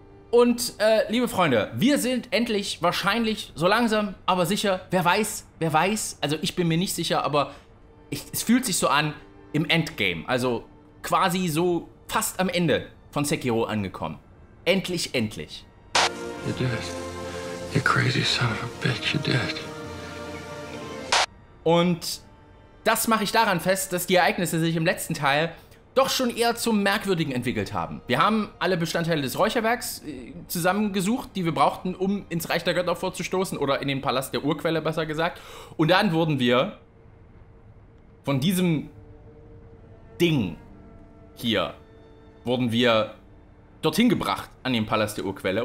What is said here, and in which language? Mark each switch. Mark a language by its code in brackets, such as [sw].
[de] Und liebe Freunde, wir sind endlich, wahrscheinlich, so langsam, aber sicher, wer weiß, also ich bin mir nicht sicher, aber es fühlt sich so an, im Endgame, also quasi so fast am Ende von Sekiro angekommen. Endlich. [en] You're dead. You crazy son of a bitch, you're dead. [de] Und das mache ich daran fest, dass die Ereignisse sich im letzten Teil doch schon eher zum Merkwürdigen entwickelt haben. Wir haben alle Bestandteile des Räucherwerks zusammengesucht, die wir brauchten, um ins Reich der Götter vorzustoßen, oder in den Palast der Urquelle, besser gesagt. Und dann wurden wir von diesem Ding hier, wurden wir dorthin gebracht, an den Palast der Urquelle.